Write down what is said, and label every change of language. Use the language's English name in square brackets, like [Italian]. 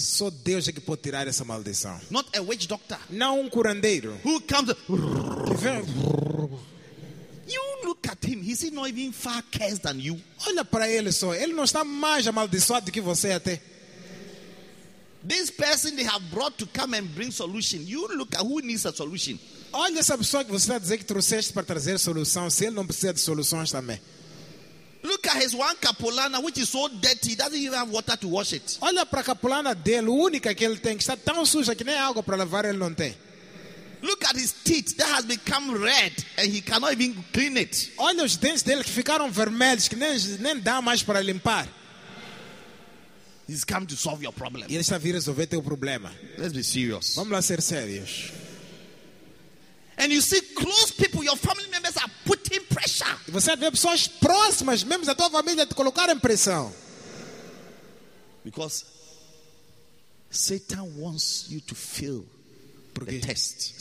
[Portuguese] Só Deus é que pode tirar essa maldição. [English] Not a witch doctor. [Portuguese] Não curandeiro. [English] Who comes? You look at him. He's not even far cursed than you. [Portuguese] Olha para ele só. Ele não está mais amaldiçoado do que você até. [English] This person they have brought to come and bring solution. You look at who needs a solution. [Portuguese] Olha essa pessoa que você está a dizer que trouxeste para trazer solução. Se ele não precisa de soluções também. [English] Look at his one capulana, which is so dirty, he doesn't even have water to wash it. [Portuguese] Olha para a capulana dele, única que ele tem, que está tão suja que nem água para lavar ele não tem. [English] Look at his teeth, that has become red, and he cannot even clean it. [Portuguese] Olha os dentes dele que ficaram vermelhos, que nem dá mais para limpar. [English] He's come to solve your problem. [Portuguese] Ele está vindo resolver teu problema. [English] Let's be serious. [Portuguese] Vamos lá ser sérios. [English] And you see close people, your family members are putting pressure. [Portuguese] Você vê pessoas próximas, membros da tua família, te colocaram pressão. [English] Because Satan wants you to fail the test.